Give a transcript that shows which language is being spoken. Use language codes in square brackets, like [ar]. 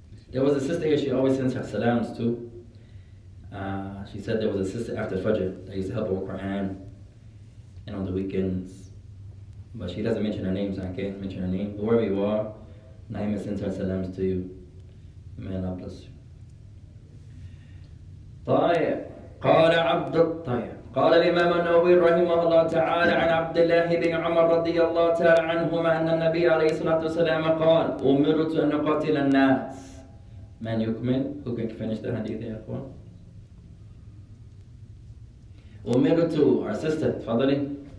[en] There was a sister here, she always sends her salams too. She said there was a sister after Fajr that used to help her with Quran and on the weekends. But she doesn't mention her name, so I can't mention her name. But wherever you are, Naima sends her salams to you. May Allah bless you. Taya. [ar] قال عبد الطيب قال الإمام النووي رحمه الله تعالى عن عبد الله بن عمر رضي الله تعالى عنهما أن النبي عليه الصلاة والسلام قال أمرت أن أقاتل الناس. من يكمل؟ [en] Who can finish the hadith [ar] يا أخوان؟ أمرت [en] our sister [ar] تفضلي.